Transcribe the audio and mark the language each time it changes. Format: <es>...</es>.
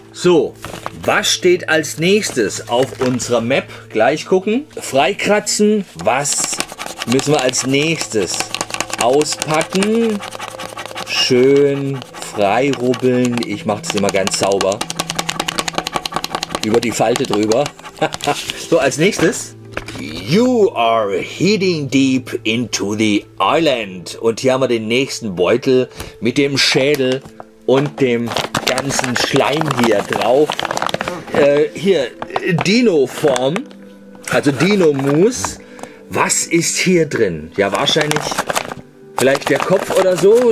<de>So, was steht als nächstes auf unserer Map? Gleich gucken. Freikratzen. Was müssen wir als nächstes auspacken? Schön freirubbeln. Ich mache das immer ganz sauber. Über die Falte drüber. So, als nächstes.</de> <en>You are heading deep into the island.</en> <de>Und hier haben wir den nächsten Beutel mit dem Schädel und dem ganzen Schleim hier drauf. Hier, Dino-Form, also Dino-Mousse. Was ist hier drin? Ja, wahrscheinlich vielleicht der Kopf oder so.</de>